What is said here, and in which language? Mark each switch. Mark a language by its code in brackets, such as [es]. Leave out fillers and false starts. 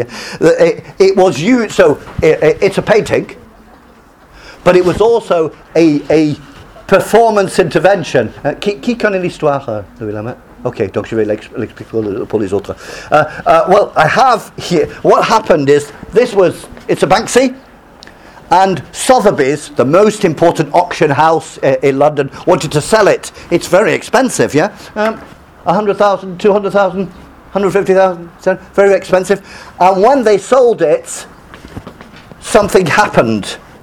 [en] It was used, so it's a painting, but it was also a performance intervention. [fr] Qui connaît l'histoire, Louis Lamette? Okay, donc je vais l'expliquer pour les autres. [en] Well, I have here, what happened is, it's a Banksy, and Sotheby's, the most important auction house in London, wanted to sell it. It's very expensive, yeah? 100,000, 200,000? 150,000, very expensive. And when they sold it, something happened.